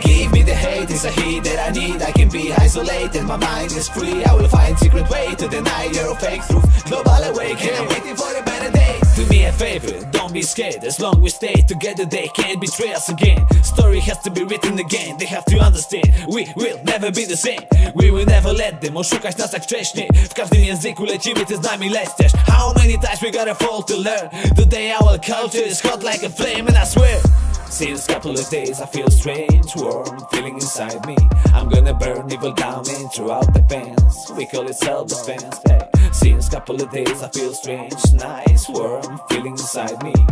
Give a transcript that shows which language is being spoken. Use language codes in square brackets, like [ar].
[en] Give me the hate, it's a heat that I need. I can be isolated, my mind is free. I will find secret way to deny your fake truth. Global awakening, I'm waiting for a better day. Do me a favor, don't be scared. As long we stay together, they can't betray us again. Story has to be written again. They have to understand, we will never be the same. We will never let them [pl] oszukać nas jak wcześniej. W każdym języku lecimy, ty z nami lecisz. [en] How many times we gotta fall to learn? Today our culture is hot like a flame, and I swear. Since couple of days I feel strange, warm feeling inside me. I'm gonna burn evil down and throughout the pants. We call it self-defense, hey. Since couple of days I feel strange, nice, warm feeling inside me.